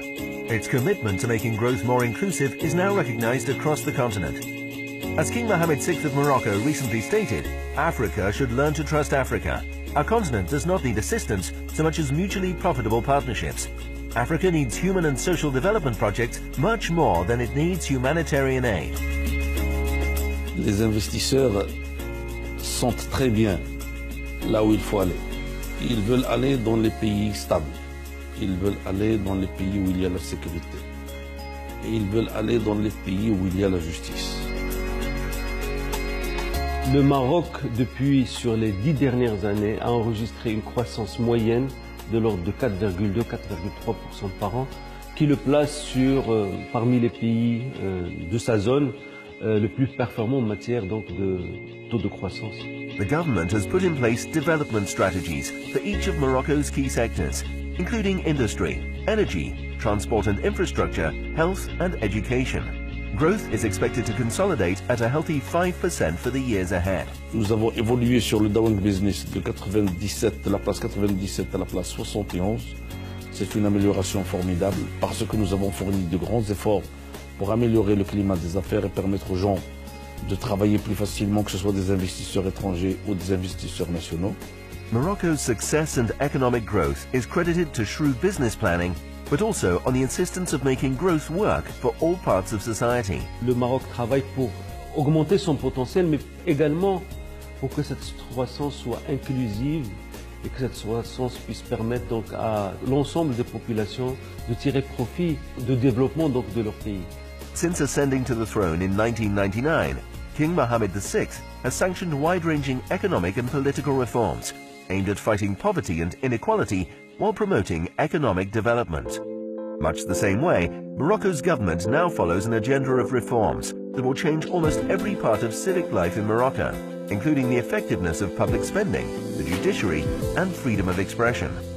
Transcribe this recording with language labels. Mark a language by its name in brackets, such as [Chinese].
[English] Its commitment to making growth more inclusive is now recognized across the continent. As King Mohammed VI of Morocco recently stated, Africa should learn to trust Africa. Our continent does not need assistance so much as mutually profitable partnerships. Africa needs human and social development projects much more than it needs humanitarian aid. [French] Les investisseurs sont très bien là où il faut aller. Ils veulent aller dans les pays stables. Ils veulent aller dans les pays où il y a la sécurité. Et ils veulent aller dans les pays où il y a la justice. Le Maroc, depuis sur les 10 dernières années, a enregistré une croissance moyenne de l'ordre de 4,2-4,3% par an, qui le place sur parmi les pays de sa zone le plus performant en matière donc de taux de croissance. [English] The government has put in place development strategies for each of Morocco's key sectors, including industry, energy, transport and infrastructure, health and education. Growth is expected to consolidate at a healthy 5% for the years ahead. [French] Nous avons évolué sur le dawang business de 97, de la place 97 à la place 71. C'est une amélioration formidable parce que nous avons fourni de grands efforts pour améliorer le climat des affaires et permettre aux gens de travailler plus facilement, que ce soit des investisseurs étrangers ou des investisseurs nationaux. [English] Morocco's success and economic growth is credited to shrewd business planning, but also on the insistence of making growth work for all parts of society. [French] Le Maroc travaille pour augmenter son potentiel, mais également pour que cette croissance soit inclusive et que cette croissance puisse permettre donc à l'ensemble des populations de tirer profit du développement donc de leur pays. [English] Since ascending to the throne in 1999, King Mohammed VI has sanctioned wide-ranging economic and political reforms aimed at fighting poverty and inequality while promoting economic development. Much the same way, Morocco's government now follows an agenda of reforms that will change almost every part of civic life in Morocco, including the effectiveness of public spending, the judiciary, and freedom of expression.